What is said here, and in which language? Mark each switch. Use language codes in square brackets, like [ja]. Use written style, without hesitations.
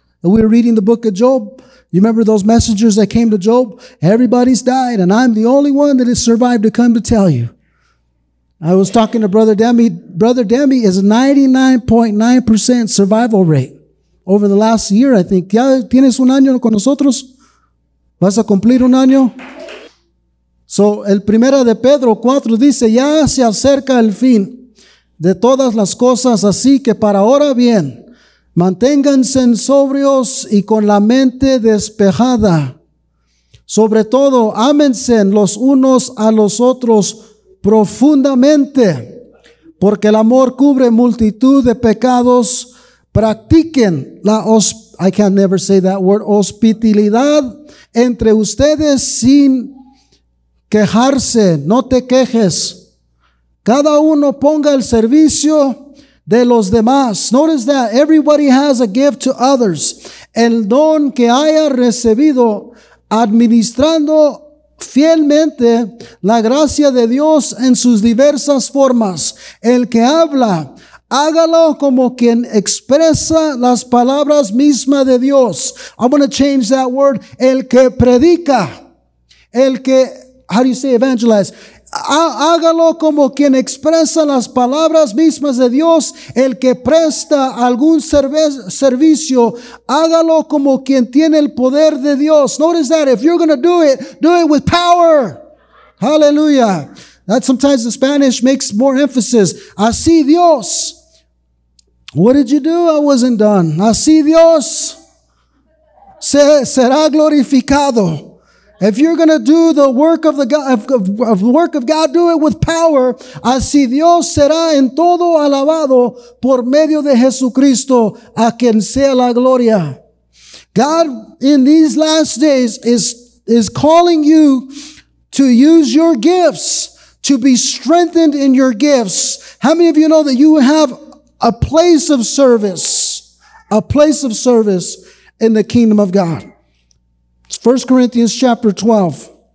[en] And we were reading the book of Job. You remember those messengers that came to Job? Everybody's died, and I'm the only one that has survived to come to tell you. I was talking to Brother Demi. Brother Demi is 99.9% survival rate over the last year, I think. [es] ¿Ya tienes un año con nosotros? ¿Vas a cumplir un año? So, el primera de Pedro 4 dice, "Ya se acerca el fin de todas las cosas, así que para ahora bien, manténganse sobrios y con la mente despejada. Sobre todo, ámense los unos a los otros profundamente, porque el amor cubre multitud de pecados. Practiquen la hospitalidad entre ustedes sin quejarse." No te quejes. "Cada uno ponga el servicio de los demás." [en] Notice that everybody has a gift to others. [es] "El don que haya recibido, administrando fielmente la gracia de Dios en sus diversas formas. El que habla, hágalo como quien expresa las palabras mismas de Dios." [en] I'm going to change that word. [es] "El que predica, el que," [en] how do you say evangelize? [es] "Hágalo como quien expresa las palabras mismas de Dios. El que presta algún servicio, hágalo como quien tiene el poder de Dios." [en] Notice that. If you're going to do it with power. Hallelujah. That sometimes the Spanish makes more emphasis. [es] Así Dios. [en] What did you do? I wasn't done. [es] Así Dios será glorificado. [en] If you're going to do the work of the God, of work of God, do it with power. [es] Así Dios será en todo alabado por medio de Jesucristo, a quien sea la gloria. [en] God, in these last days, is calling you to use your gifts, to be strengthened in your gifts. How many of you know that you have a place of service? A place of service. in the kingdom of God. It's 1 Corinthians chapter 12.